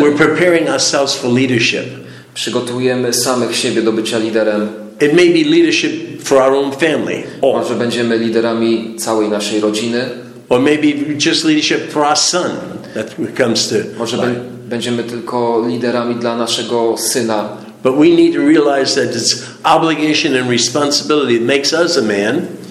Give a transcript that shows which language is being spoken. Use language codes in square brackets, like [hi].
[en] we're preparing ourselves for leadership. [pl] Przygotujemy samych siebie do bycia liderem. [en] It may be leadership for our own family. [pl] Może będziemy liderami całej naszej rodziny. [en] Or maybe just leadership for our son that comes to. [pl] Może będziemy tylko liderami dla naszego syna. [en] But we need to realize that it's obligation and responsibility that makes us a man.